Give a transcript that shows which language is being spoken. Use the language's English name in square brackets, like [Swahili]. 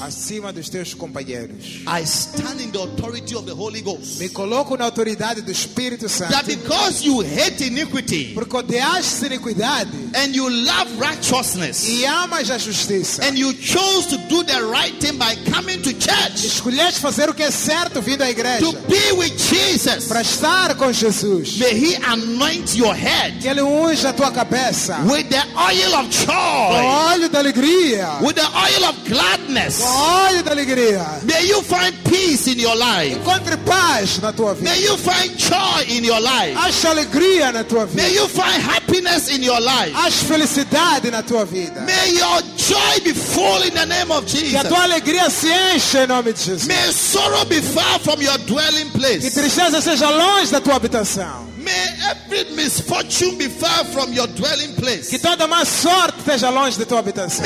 [Portuguese] acima dos teus companheiros. [English] I stand in the authority of the Holy Ghost, [Portuguese] me coloco na autoridade do Espírito Santo, [English] that because you hate iniquity, [Portuguese] porque odiaste iniquidade, [English] and you love righteousness, [Portuguese] e amas a justiça, [English] and you chose to do the right thing by coming to church, [Portuguese] escolheste fazer o que é certo vindo à igreja, [English] to be with Jesus, [Portuguese] para estar com Jesus, [English] may he anoint your head, [Portuguese] que ele unja a tua cabeça, [English] with the oil of joy, [Portuguese] com óleo de alegria, [English] with the oil of gladness, [Portuguese] óleo de alegria. [English] May you find peace in your life, [Portuguese] encontre paz na tua vida. [English] May you find joy in your life, [Portuguese] ache alegria na tua vida. [English] May you find happiness in your life, [Portuguese] ache felicidade na tua vida. [English] May your joy be full in the name of Jesus, [Portuguese] que a tua alegria se enche em nome de Jesus. [English] May sorrow be far from your dwelling place, [Portuguese] que tristeza seja longe da tua habitação. [English] May every misfortune be far from your dwelling place, [Portuguese] que toda má sorte esteja longe de tua habitação.